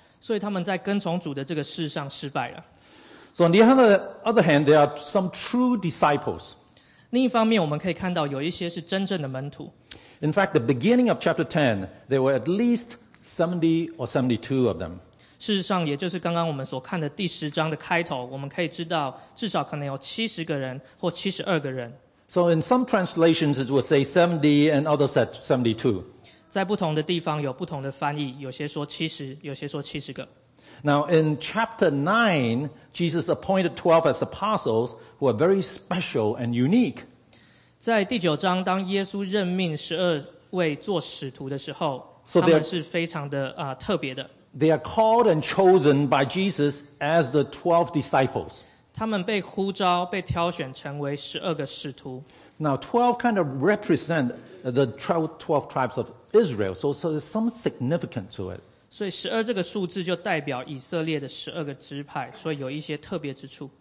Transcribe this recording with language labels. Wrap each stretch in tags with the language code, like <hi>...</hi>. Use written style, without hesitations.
<zh>所以他们在跟从主的这个事上失败了。</zh> <en>So on the other hand, there are some true disciples.</en> <zh>另一方面，我们可以看到有一些是真正的门徒。</zh> <en>In fact, the beginning of chapter 10, there were at least 70 or 72 of them.</en> <zh>事实上，也就是刚刚我们所看的第十章的开头，我们可以知道至少可能有70个人或72个人。</zh> <en>So in some translations, it would say 70 and others said 72.</en> <zh>在不同的地方有不同的翻译，有些说70，有些说70个。</zh> <en>Now in chapter 9, Jesus appointed 12 as apostles who are very special and unique.</en> <zh>在第九章，当耶稣任命12位做使徒的时候，他们是非常的特别的。</zh> <en>They are called and chosen by Jesus as the 12 disciples.</en> <zh>他们被呼召被挑选成为十二个使徒。</zh> <en>Now, 12 kind of represent the 12 tribes of Israel, so there's some significance to it.</en> <zh>所以十二这个数字就代表以色列的十二个支派，所以有一些特别之处。</zh>